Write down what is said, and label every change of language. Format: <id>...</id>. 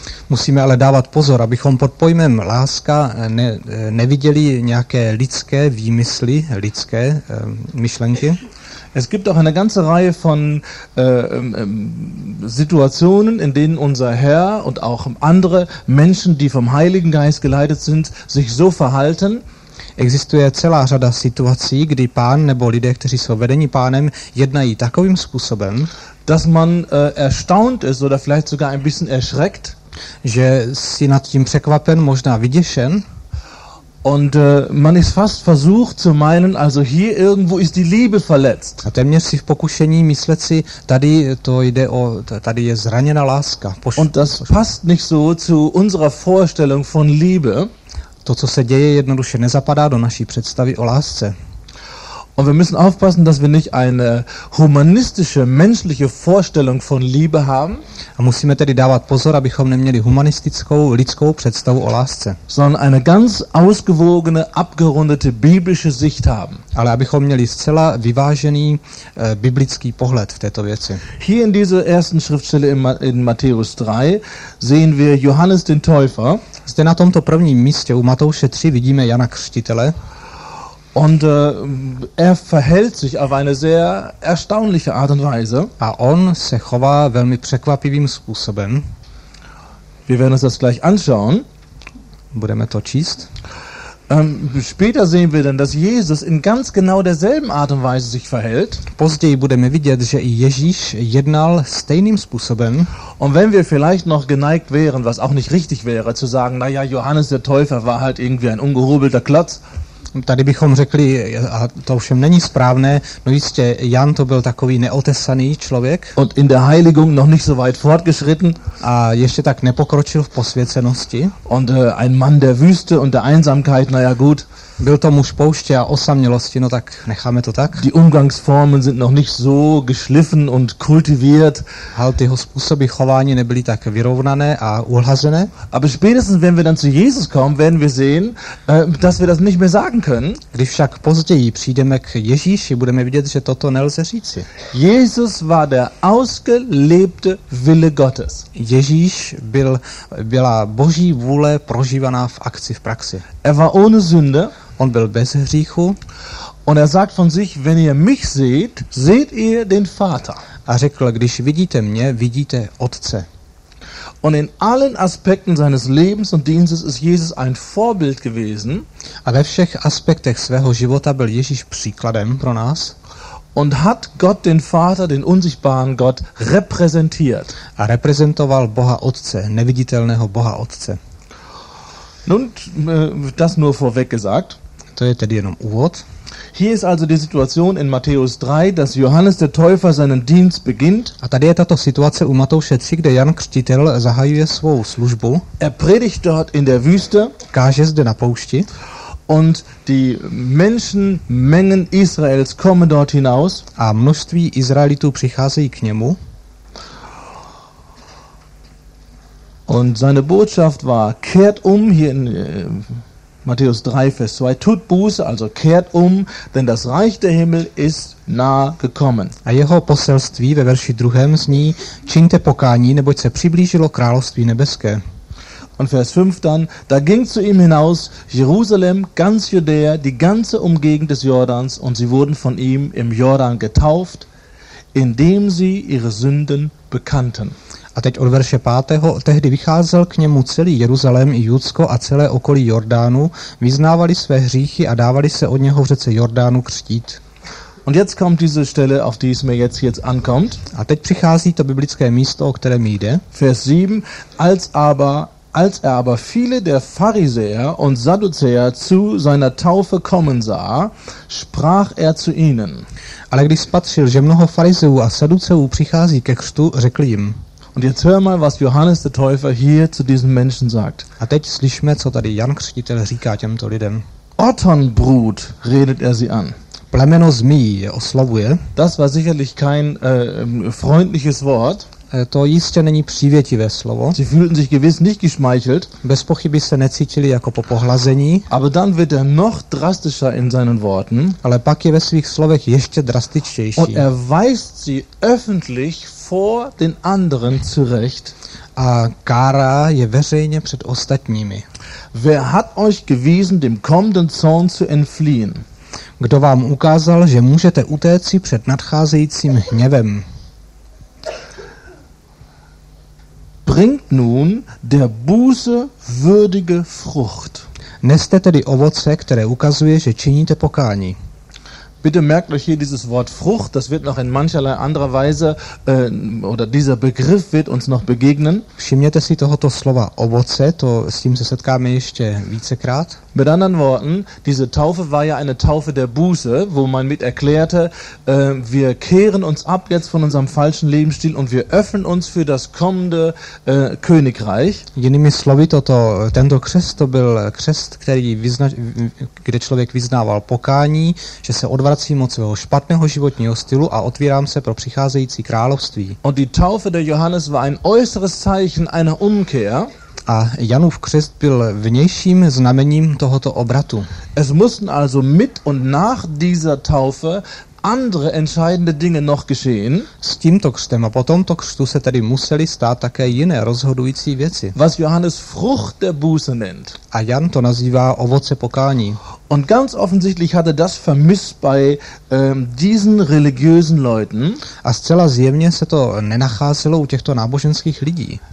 <cs>Musíme ale dávat pozor, abychom pod pojmem láska neviděli nějaké lidské výmysly, lidské myšlenky.</cs> <de>Es gibt auch eine ganze Reihe von Situationen, in denen unser Herr und auch andere Menschen, die vom Heiligen Geist geleitet sind, sich so verhalten.</de> <cs>Existuje celá řada situací, kdy pán nebo lidé, kteří jsou vedeni pánem, jednají takovým způsobem,</cs> <de>dass man erstaunt ist oder vielleicht sogar ein bisschen erschreckt,</de> <cs>že si nad tím překvapen, možná vyděšen.</cs> <de>Und man ist fast versucht zu meinen, also hier irgendwo ist die Liebe verletzt.</de> <cs>A téměř si v pokušení myslet si, tady to jde o, tady je zraněna láska.</cs> <de>Und das passt nicht so zu unserer Vorstellung von Liebe.</de> <cs>To, co se děje, jednoduše nezapadá do naší představy o lásce.</cs> <de>Und wir müssen aufpassen, dass wir nicht eine humanistische, menschliche Vorstellung von Liebe haben.</de> <cs>A musíme tedy dávat pozor, abychom neměli humanistickou, lidskou představu o lásce.</cs> <de>Sondern eine ganz ausgewogene, abgerundete biblische Sicht haben.</de> <cs>Ale abychom měli zcela vyvážený biblický pohled v této věci.</cs> <de>Hier in dieser ersten Schriftstelle in Matthäus 3 sehen wir Johannes den Täufer.</de> <cs>Zde na tomto prvním místě u Matouše 3 vidíme Jana Křtitele.</cs> <de>Und er verhält sich auf eine sehr erstaunliche Art und Weise.</de> <cs>A on se chová velmi překvapivým způsobem.</cs> <de>Wir werden uns das gleich anschauen.</de> <cs>Budeme to číst.</cs> <de>Später sehen wir dann, dass Jesus in ganz genau derselben Art und Weise sich verhält.</de> <cs>Později budeme vidět, že i Ježíš jednal stejným způsobem.</cs> <de>Und wenn wir vielleicht noch geneigt wären, was auch nicht richtig wäre, zu sagen, naja, Johannes der Täufer war halt irgendwie ein ungehobelter Klotz.</de> <cs>Tady bychom řekli, a to ovšem není správné, no jistě, Jan to byl takový neotesaný člověk.</cs> <de>Und in der Heiligung noch nicht so weit fortgeschritten.</de> <cs>A ještě tak nepokročil v posvěcenosti.</cs> <de>Und ein Mann der Wüste und der Einsamkeit, na ja gut.</de> <cs>Byl to muž pouště a osamělosti, no tak necháme to tak.</cs> <de>Die Umgangsformen sind noch nicht so geschliffen und kultiviert.</de> <cs>Halt, jeho způsoby chování nebyly tak vyrovnané a uhlazené.</cs> <de>Aber spätestens, wenn wir dann zu Jesus kommen, werden wir sehen, dass wir das nicht mehr sagen können.</de> <cs>Když však později přijdeme k Ježíši, budeme vidět, že toto nelze říci.</cs> <de>Jesus war der ausgelebte Wille Gottes.</de> <cs>Ježíš byl, byla Boží vůle prožívaná v akci, v praxi.</cs> <de>Er war ohne Sünde.</de> <cs>On byl bez hříchu.</cs> <de>Und er sagt von sich, wenn ihr mich seht, seht ihr den Vater.</de> <cs>A řekl, když vidíte mě, vidíte Otce.</cs> <de>Und in allen Aspekten seines Lebens und Dienstes ist Jesus ein Vorbild gewesen.</de> <cs>A ve všech aspektech svého života byl Ježíš příkladem pro nás.</cs> <de>Und hat Gott den Vater, den unsichtbaren Gott, repräsentiert.</de> <cs>A reprezentoval Boha Otce, neviditelného Boha Otce.</cs> <de>Nun, das nur vorweg gesagt.</de> <cs>To je tedy jenom úvod.</cs> <de>Hier ist also die Situation in Matthäus 3, dass Johannes der Täufer seinen Dienst beginnt.</de> <cs>A tady je tato situace u Matouše 3, kde Jan Křtitel zahajuje svou službu.</cs> <de>Er predigt dort in der Wüste.</de> <cs>Káže zde na poušti.</cs> <de>Und die Menschenmengen Israels kommen dort hinaus.</de> <cs>A množství Izraelitů přicházejí k němu.</cs> <de>Und seine Botschaft war, kehrt hier in Matthäus 3, Vers 2, tut Buße, also kehrt denn das Reich der Himmel ist nahe gekommen.</de> <cs>A jeho poselství ve verši 2. zní, čiňte pokání, neboť se přiblížilo království nebeské.</cs> <de>Und Vers 5 dann, da ging zu ihm hinaus Jerusalem, ganz Judäa, die ganze Umgegend des Jordans, und sie wurden von ihm im Jordan getauft, indem sie ihre Sünden bekannten.</de> <cs>A teď od verše 5. tehdy vycházel k němu celý Jeruzalém i Judsko a celé okolí Jordánu, vyznávali své hříchy a dávali se od něho v řece Jordánu křtít.</cs> <de>Und jetzt kommt diese Stelle, auf die es mir jetzt ankommt.</de> <cs>A teď přichází to biblické místo, o kterém jde.</cs> <de>Vers 7, als er aber viele der Pharisäer und Sadduzäer zu seiner Taufe kommen sah, sprach er zu ihnen.</de> <cs>Ale když spatřil, že mnoho farizeů a saduceů přichází ke křtu, řekl jim.</cs> <de>Und jetzt hör mal, was Johannes der Täufer hier zu diesen Menschen sagt.</de> <cs>A teď slyšme, co tady Jan Křtitel říká těmto lidem.</cs> <de>Otternbrut, redet er sie an.</de> <cs>Plemeno zmije oslavuje.</cs> <de>Das war sicherlich kein freundliches Wort.</de> <cs>To jistě není přívětivé slovo.</cs> <de>Sie fühlten sich gewiss nicht geschmeichelt.</de> <cs>Bez pochyby se necítili jako po pohlazení.</cs> <de>Aber dann wird er noch drastischer in seinen Worten.</de> <cs>Ale pak je ve svých slovech ještě drastičtější.</cs> <de>Und er weist sie öffentlich vor den anderen zurecht.</de> <cs>A kára je veřejně před ostatními.</cs> <de>Wer hat euch gewiesen, dem kommenden Zorn zu entfliehen?</de> <cs>Kdo vám ukázal, že můžete utéci před nadcházejícím hněvem?</cs> <de>Bringt nun der Buße würdige Frucht.</de> <cs>Neste tedy ovoce, které ukazuje, že činíte pokání.</cs> <de>Bitte merkt euch hier dieses Wort Frucht, das wird noch in mancherlei anderer Weise, oder dieser Begriff wird uns noch begegnen.</de> <cs>Všimněte si tohoto slova ovoce, to s tím se setkáme ještě vícekrát.</cs> <de>Mit anderen Worten, diese Taufe war ja eine Taufe der Buße, wo man mit erklärte, wir kehren uns ab jetzt von unserem falschen Lebensstil und wir öffnen uns für das kommende Königreich.</de> <cs>Jinými slovy, tento křest, to byl křest, kde člověk vyznával pokání, že se odvracím od svého špatného životního stylu a otvírám se pro přicházející království.</cs> <de>Und die Taufe der Johannes war ein äußeres Zeichen einer Umkehr.</de> <cs>A Janův křest byl vnějším znamením tohoto obratu.</cs> <de>Es mussten also mit und nach dieser Taufe andere entscheidende Dinge noch geschehen.</de> <cs>S tímto křtem a po tomto křtu se tedy museli stát také jiné rozhodující věci.</cs> <de>Was Johannes Frucht der Buße nennt.</de> <cs>A Jan to nazývá ovoce pokání.</cs> <de>Und ganz offensichtlich hatte das vermisst bei diesen religiösen Leuten.</de> <cs>A zcela zjevně se to nenacházelo u těchto náboženských lidí.</cs>